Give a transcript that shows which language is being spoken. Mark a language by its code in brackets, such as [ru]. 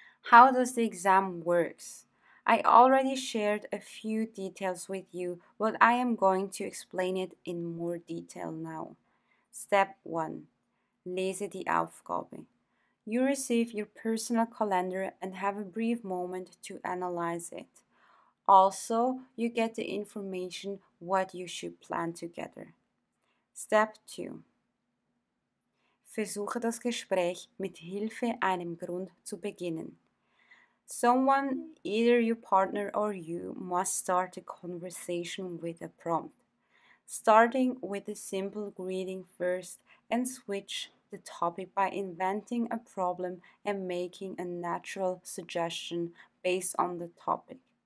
[en] How does the exam work? I already shared a few details with you, but I am going to explain it in more detail now. Step 1. [de] Lese die Aufgabe. [en] You receive your personal calendar and have a brief moment to analyze it. Also, you get the information what you should plan together. Step 2. [de] Versuche das Gespräch mit Hilfe einem Grund zu beginnen. [en] Someone, either your partner or you, must start a conversation with a prompt, starting with a simple greeting first and switch the topic by inventing a problem and making a natural suggestion based on the topic.